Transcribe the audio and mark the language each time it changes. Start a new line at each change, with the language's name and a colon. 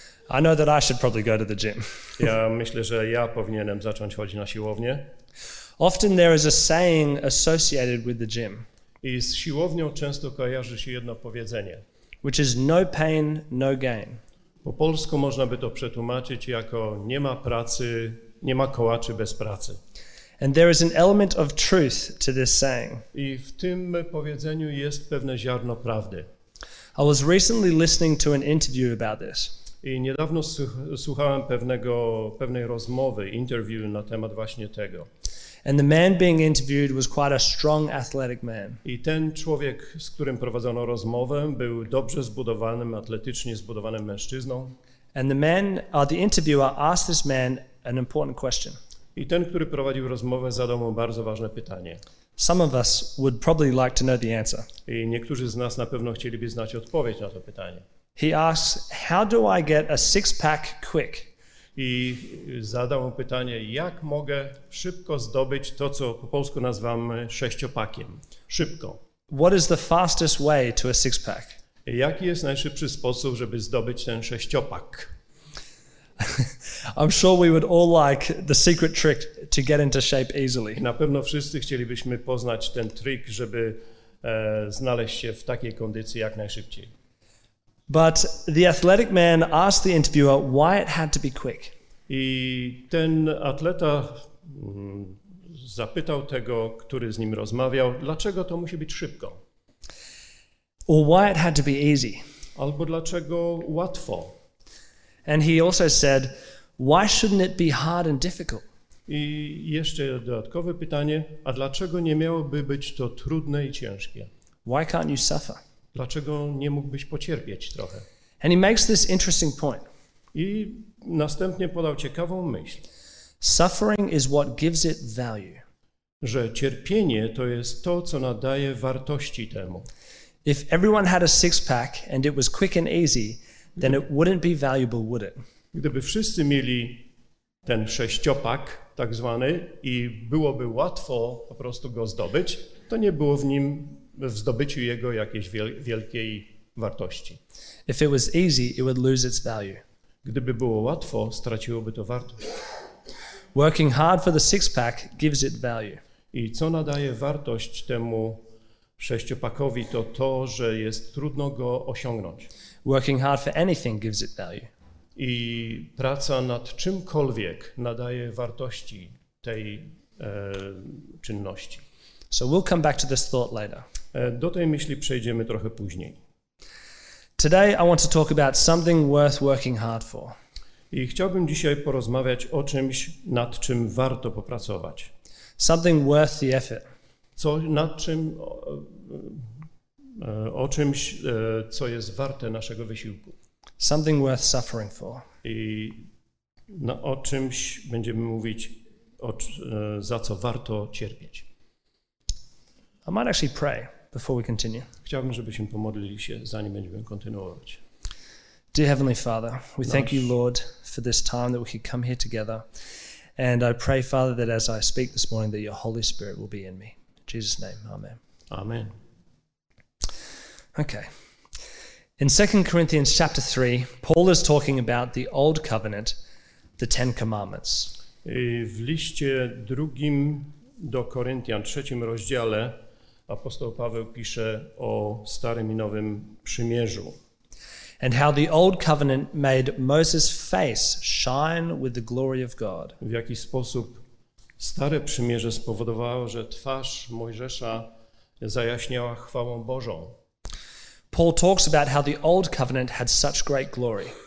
English: I know that I should probably go to the gym.
Polish: Ja myślę, że ja powinienem zacząć chodzić na siłownię.
English: Often there is a saying associated with the gym.
Polish: I z siłownią często kojarzy się jedno powiedzenie.
English: Which is no pain, no gain.
Polish: Po polsku można by to przetłumaczyć jako nie ma pracy, nie ma kołaczy bez pracy.
English: And there is an element of truth to this saying.
Polish: I w tym powiedzeniu jest pewne ziarno prawdy.
English: I was recently listening to an interview about this.
Polish: I niedawno słuchałem pewnej rozmowy, interview na temat właśnie tego.
English: And the man being interviewed was quite a strong athletic man.
Polish: I ten człowiek, z którym prowadzono rozmowę, był dobrze zbudowanym, atletycznie zbudowanym mężczyzną.
English: And the interviewer asked this man an important question.
Polish: I ten, który prowadził rozmowę, zadał mu bardzo ważne pytanie.
English: Some of us would probably like to know the answer.
Polish: I niektórzy z nas na pewno chcieliby znać odpowiedź na to pytanie.
English: He asks, how do I get a six-pack quick?
Polish: I zadał mu pytanie, jak mogę szybko zdobyć to, co po polsku nazywamy sześciopakiem. Szybko.
English: What is the fastest way to a six-pack?
Polish: Jaki jest najszybszy sposób, żeby zdobyć ten sześciopak?
English: I'm sure we would all like the secret trick to get into shape easily.
Polish: Na pewno wszyscy chcielibyśmy poznać ten trik, żeby znaleźć się w takiej kondycji jak najszybciej.
English: But the athletic man asked the interviewer why it had to be quick.
Polish: I ten atleta zapytał tego, który z nim rozmawiał, dlaczego to musi być szybko?
English: Or why it had to be easy?
Polish: Albo dlaczego łatwo?
English: And he also said, why shouldn't it be hard and difficult?
Polish: I jeszcze dodatkowe pytanie, a dlaczego nie miałoby być to trudne i ciężkie?
English: Why can't you suffer?
Polish: Dlaczego nie mógłbyś pocierpieć trochę?
English: And he makes this interesting point.
Polish: I następnie podał ciekawą myśl.
English: Suffering is what gives it value.
Polish: Że cierpienie to jest to, co nadaje wartości temu.
English: If everyone had a six-pack and it was quick and easy, then it wouldn't be valuable, would it?
Polish: Gdyby wszyscy mieli ten sześciopak, tak zwany, i byłoby łatwo po prostu go zdobyć, to nie było w nim, w zdobyciu jego jakiejś wielkiej wartości.
English: If it was easy, it would lose its value.
Polish: Gdyby było łatwo, straciłoby to wartość.
English: Working hard for the six-pack gives it value.
Polish: I co nadaje wartość temu sześciopakowi, to to, że jest trudno go osiągnąć.
English: Working hard for anything gives it value.
Polish: I praca nad czymkolwiek nadaje wartości tej czynności.
English: So we'll come back to this thought later.
Polish: Do tej myśli przejdziemy trochę później.
English: Today I want to talk about something worth working hard for.
Polish: I chciałbym dzisiaj porozmawiać o czymś, nad czym warto popracować.
English: Something worth the effort.
Polish: Co, nad czym, o czymś, co jest warte naszego wysiłku.
English: Something worth suffering for.
Polish: I no, o czymś będziemy mówić, za co warto cierpieć.
English: I might actually pray before we continue.
Polish: Chciałbym, żebyśmy pomodlili się, zanim będziemy kontynuować.
English: Dear Heavenly Father, we thank you, Lord, for this time that we could come here together. And I pray, Father, that as I speak this morning, that your Holy Spirit will be in me. In Jesus' name, amen. Amen. Okay. In 2 Corinthians chapter 3, Paul is talking about the old covenant, the Ten Commandments.
Polish: W liście drugim do Koryntian, trzecim rozdziale, apostoł Paweł pisze o starym i nowym przymierzu.
English: And how the old covenant made Moses' face shine with the glory of God.
Polish: W jaki sposób stare przymierze spowodowało, że twarz Mojżesza zajaśniała chwałą Bożą.
English: Paul talks about how the old covenant had such great glory.